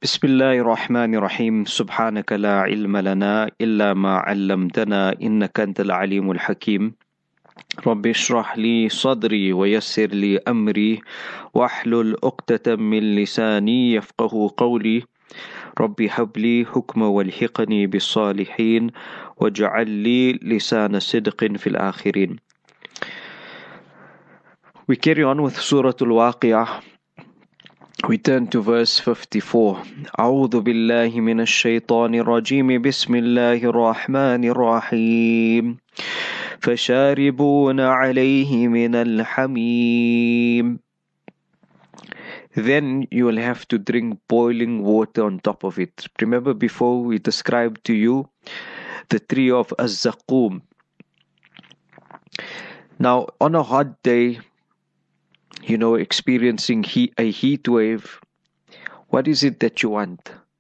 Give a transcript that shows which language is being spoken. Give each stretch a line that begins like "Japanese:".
Arabic: بسم الله الرحمن الرحيم سبحانك لا علم لنا إلا ما علمتنا إنك أنت العليم الحكيم رب اشرح لي صدري ويسر لي أمري واحلل عقدة من لساني يفقه قولي رب هب لي حكما والحقني بالصالحين واجعل لي لسان صدق في الآخرين.
English: We carry on with سورة الواقعة. We turn to verse 54.
Arabic: أعوذ بالله من الشيطان الرجيم بسم الله الرحمن الرحيم فشاربون عليه من الحميم.
English: Then you will have to drink boiling water on top of it. Remember before we described to you the tree of Az-Zaqqum. Now on a hot day, you know, experiencing a heat wave, what is it that you want?